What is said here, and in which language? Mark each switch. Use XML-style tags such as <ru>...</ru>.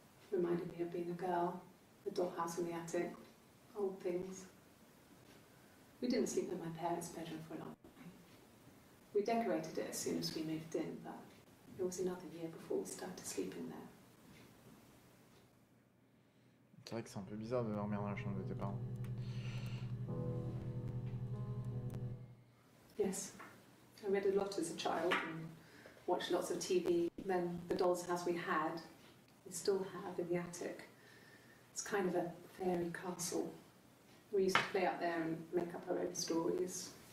<en>Reminded me of being a girl, the dollhouse in the attic, old things. We didn't sleep in my parents' bedroom for a long time. We decorated it as soon as we moved in, but it was another year before we started sleeping there.</en> <fr>C'est vrai que c'est un peu bizarre de dormir dans la chambre de tes parents.</fr> <en>Yes. I read a lot as a child and watched lots of TV. Then the doll's house we had, we still have in the attic. It's kind of a fairy castle. We used to play up there and make up our own stories.</en>